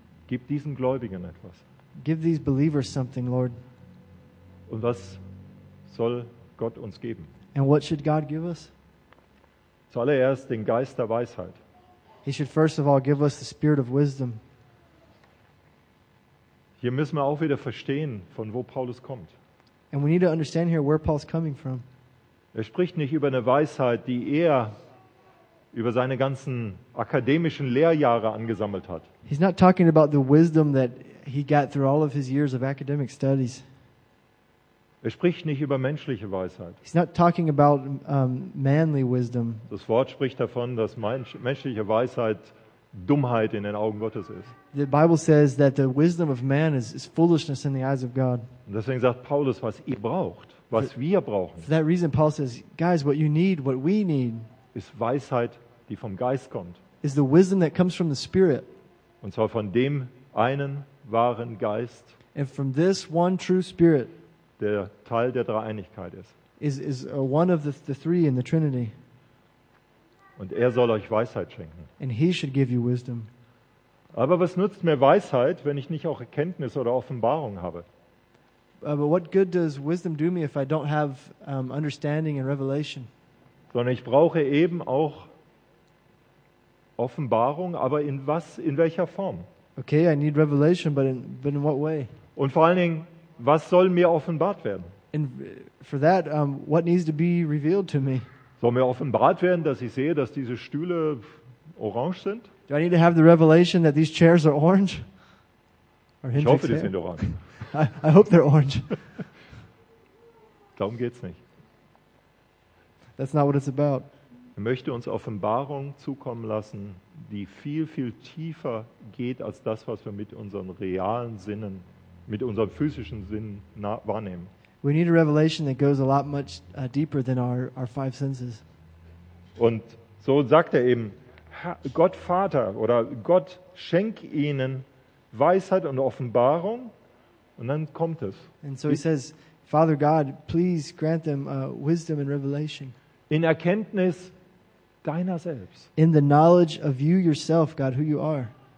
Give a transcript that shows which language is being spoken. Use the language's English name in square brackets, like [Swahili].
[German] Gib diesen Gläubigen etwas. [English] Give these believers something, Lord. [German] Und was soll Gott uns geben? [English] And what should God give us? [German] Zuallererst den Geist der Weisheit. [English] He should first of all give us the spirit of wisdom. [German] Hier müssen wir auch wieder verstehen, von wo Paulus kommt. [English] And we need to understand here where Paul's coming from. [German] Er spricht nicht über eine Weisheit, die er über seine ganzen akademischen Lehrjahre angesammelt hat. [English] He's not talking about the wisdom that he got through all of his years of academic studies. [German] Er spricht nicht über menschliche Weisheit. [English] He's not talking about manly wisdom. [German] Das Wort spricht davon, dass menschliche Weisheit Dummheit in den Augen Gottes ist. [English] The Bible says that the wisdom of man is foolishness in the eyes of God. [German] Und deswegen sagt Paulus, was ihr braucht, was wir brauchen. [English] For that reason, Paul says, guys, what you need, what we need, [German] ist Weisheit, die vom Geist kommt. [English] Is the wisdom that comes from the Spirit. [German] Und zwar von dem einen wahren Geist. [English] And from this one true Spirit. [German] Der Teil der Dreieinigkeit ist. [English] Is one of the three in the Trinity. [German] Und er soll euch Weisheit schenken. [English] And he should give you wisdom. [German] Aber was nützt mir Weisheit, wenn ich nicht auch Erkenntnis oder Offenbarung habe? [English] But what good does wisdom do me if I don't have understanding and revelation? [German] Sondern ich brauche eben auch Offenbarung, aber in was, in welcher Form? [English] Okay, I need revelation, but in what way? [German] Und vor allen Dingen, was soll mir offenbart werden? [English] And for that, what needs to be revealed to me? [German] Soll mir offenbart werden, dass ich sehe, dass diese Stühle orange sind? [English] Do I need to have the revelation that these chairs are orange? [German] Or ich hoffe, die sind orange. [English] I hope they're orange. [German] Darum geht's nicht. [English] That's not what it's about. [German] Er möchte uns Offenbarung zukommen lassen, die viel, viel tiefer geht als das, was wir mit unseren realen Sinnen, mit unserem physischen Sinn wahrnehmen. [English] We need a revelation that goes a lot much deeper than our five senses. [German] Und so sagt er eben, Gott Vater oder Gott schenk ihnen Weisheit und Offenbarung und dann kommt es. [English] And so he says, Father God, please grant them wisdom and revelation. [German] In Erkenntnis deiner selbst. [English] In the knowledge of you yourself, God, who you are.